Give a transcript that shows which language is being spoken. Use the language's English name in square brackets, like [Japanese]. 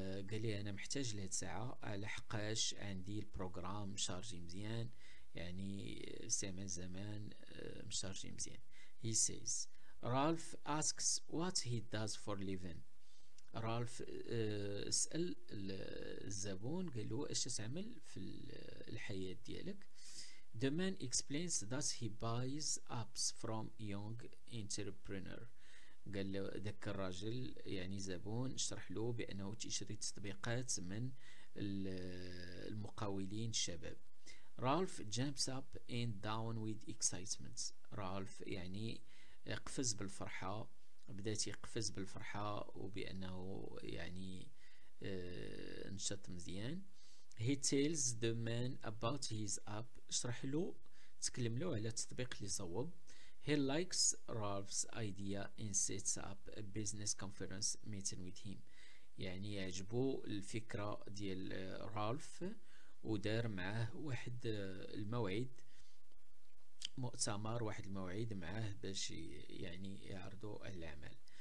[Arabic] قال لي انا محتاج لهاد الساعه على حقاش عندي البروغرام شارجي مزيان يعني زمان مشارجي مزيان. [English] He says Ralph asks what he does for living. [Arabic] رالف اسأل الزبون، قال له اش تعمل في الحياة ديالك. [English] The man explains that he buys apps from young entrepreneur. [Arabic] قال له ذاك الراجل يعني زبون شرح له بأنه تشتري تطبيقات من المقاولين الشباب. [English] Ralph jumps up and down with excitement. [Arabic] رالف يعني يقفز بالفرحة، بدأت يقفز بالفرحة وبأنه يعني نشط مزيان. [English] He tells the man about his app. [Arabic] شرح له تكلم له على التطبيق اللي صوب. [English] He likes Ralph's idea and sets up a business conference meeting with him. [Arabic] يعني يعجبو الفكرة ديال رالف ودار معه واحد الموعد، مؤتمر، واحد الموعد معه باش يعني يعرضوا العمل.